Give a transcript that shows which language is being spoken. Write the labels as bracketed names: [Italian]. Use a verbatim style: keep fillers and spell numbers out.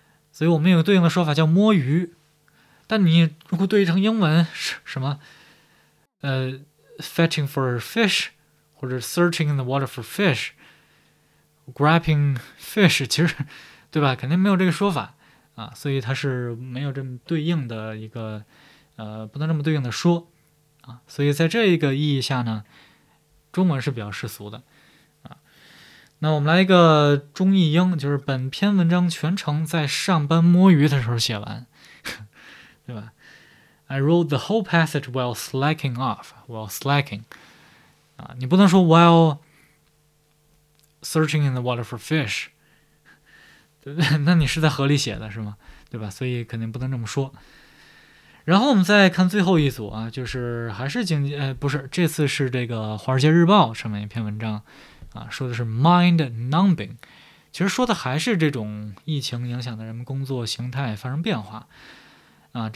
[Chinese] 所以我们有对应的说法叫摸鱼，但你如果对应成英文是什么呃 [English] fetching for fish 或者 searching in the water for fish grabbing fish， [Chinese] 其实对吧肯定没有这个说法啊，所以它是没有这么对应的一个呃不能这么对应的说啊，所以在这一个意义下呢，中文是比较世俗的啊。那我们来一个中译英，就是本篇文章全程在上班摸鱼的时候写完，对吧 ？ [English] I wrote the whole passage while slacking [Chinese] off, while slacking。啊，你不能说 [English] while searching in the water for fish， [Chinese] 对不对？那你是在河里写的是吗？对吧？所以肯定不能这么说。然后我们再看最后一组啊，就是还是经济呃不是，这次是这个《华尔街日报》上面一篇文章啊，说的是 mind numbing， 其实说的还是这种疫情影响的人们工作形态发生变化啊。